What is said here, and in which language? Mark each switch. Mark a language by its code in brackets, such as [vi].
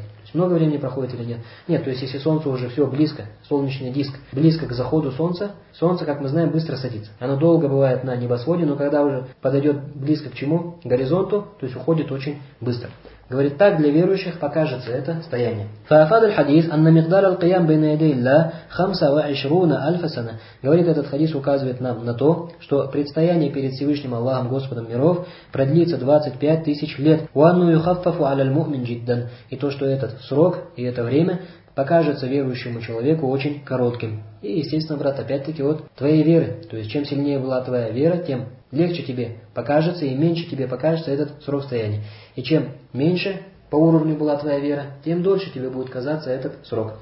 [ru] То есть много времени проходит или нет? Нет, то есть если солнце уже все близко, солнечный диск близко к заходу солнца, солнце, как мы знаем, быстро садится. Оно долго бывает на небосводе, но когда уже подойдет близко к чему? К горизонту, то есть уходит очень быстро. Говорит, так для верующих покажется это стояние. [ar] فأفاد الحديث أن مقدار القيام بين يدي الله 25 ألف سنة. [ru] Говорит, этот хадис указывает нам на то, что предстояние перед Всевышним Аллахом Господом миров продлится 25 тысяч лет. [ar] وأنه يخفف على المؤمن جدا. [ru] И то, что этот срок и это время покажется верующему человеку очень коротким. И, естественно, брат, опять-таки вот твоей веры. То есть, чем сильнее была твоя вера, тем легче тебе покажется и меньше тебе покажется этот срок стояния. И чем меньше по уровню была твоя вера, тем дольше тебе будет казаться этот срок.